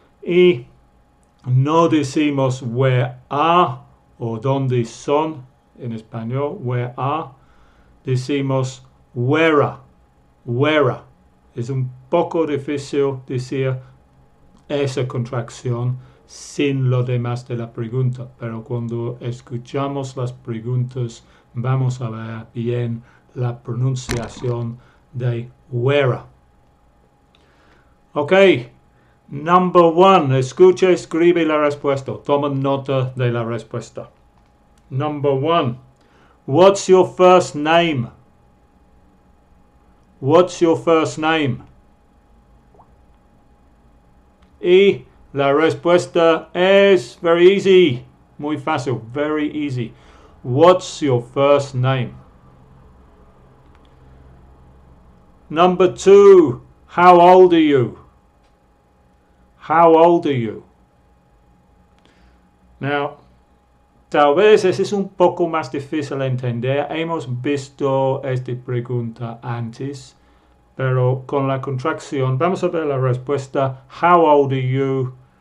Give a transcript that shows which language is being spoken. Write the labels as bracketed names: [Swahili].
[Spanish] Y no decimos [English] where are, [Spanish] o dónde son, en español, where are, decimos where are, where are. Es un poco difícil decir esa contracción sin lo demás de la pregunta, pero cuando escuchamos las preguntas vamos a ver bien la pronunciación de where. [English] Ok, number one, [Spanish] escucha, escribe la respuesta, toma nota de la respuesta. [English] Number one, what's your first name? What's your first name? [Spanish] Y la respuesta es [English] very easy, [Spanish] muy fácil, very easy. [English] What's your first name? Number two, how old are you? How old are you? [Spanish] Now, tal vez ese es un poco más difícil de entender. Hemos visto esta pregunta antes. Pero con la contracción, vamos a ver la respuesta, [English] how old are you?